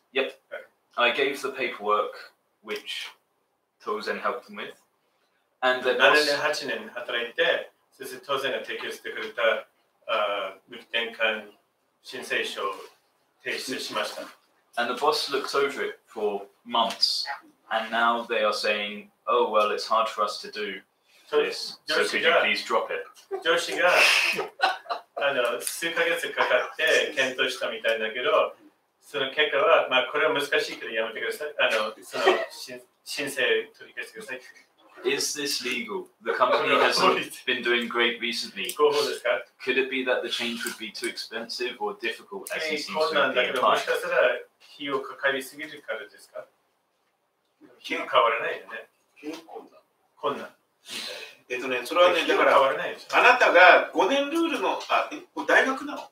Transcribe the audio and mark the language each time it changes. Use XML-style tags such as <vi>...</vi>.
<en>Yep, I gave the paperwork which Tozen helped them with. And the</en> <ja>7年、8年 働いて、先生当然が提供してくれた無期転換申請書を提出しました。</ja> <en>And the boss looked over it for months, and now they are saying, oh, well, it's hard for us to do this, so could you please drop it?</en> <ja>上司が数ヶ月かかって検討したみたいだけど、その結果は、まあ、これは難しいけどやめてください。その申請取り消してください。</ja> <en>Is this legal? The company has been doing great recently. Could it be that the change would be too expensive or difficult as he seems to be applying?</en> <ja>もしかしたら費用かかりすぎるからですか？費用変わらないよね。費用困難。困難。それはね、だから、あなたが5年ルールの、あ、大学なの？</ja>